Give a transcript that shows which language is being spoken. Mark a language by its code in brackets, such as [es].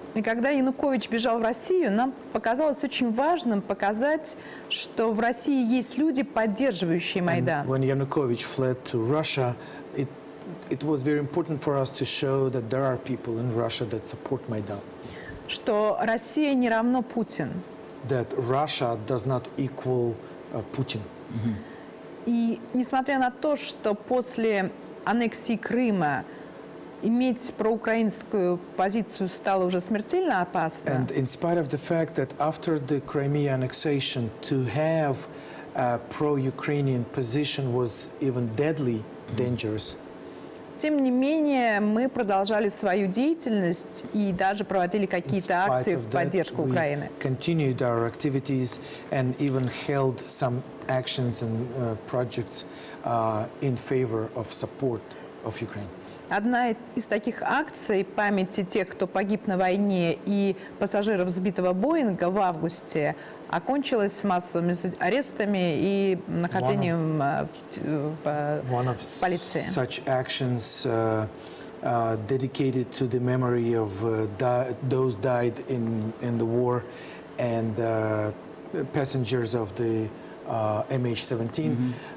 [ru] И когда Янукович бежал в Россию, нам показалось очень важным показать, что в России есть люди, поддерживающие Майдан. [en] When Yanukovych fled to Russia, it was very important for us to show that there are people in Russia that support Maidan. [ru] Что Россия не равно Путин. [en] That Russia does not equal Putin. [ru] И несмотря на то, что после аннексии Крыма иметь проукраинскую позицию стало уже смертельно опасно. [en] And in spite of the fact that after the Crimea annexation to have a pro-Ukrainian position was even deadly dangerous. [ru] Тем не менее, мы продолжали свою деятельность и даже проводили какие-то акции в поддержку Украины. [en] We continued our activities and even held some actions and projects in favor of support of Ukraine. [ru] Одна из таких акций памяти тех, кто погиб на войне и пассажиров сбитого Боинга в августе, окончилась с массовыми арестами и нахождением в полиции. [en] Such actions dedicated to the memory of those died in the war and passengers of the MH17.